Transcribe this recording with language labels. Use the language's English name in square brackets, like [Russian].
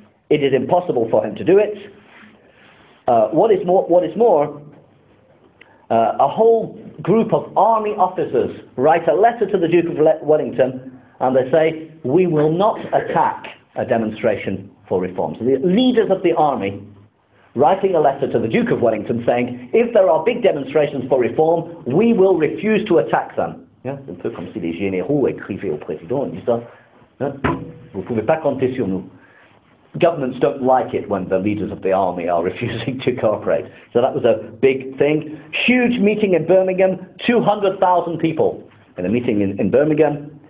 [English] It is impossible for him to do it. What is more, a whole group of army officers write a letter to the Duke of Wellington and they say, we will not attack a demonstration for reform. So the leaders of the army writing a letter to the Duke of Wellington saying, if there are big demonstrations for reform, we will refuse to attack them. [French] Yeah, un peu comme si les généraux écrivaient au président en disant, vous pouvez pas compter sur nous. [English] Governments don't like it when the leaders of the army are refusing to cooperate. So that was a big thing. Huge meeting in Birmingham, 200,000 people in a meeting in Birmingham.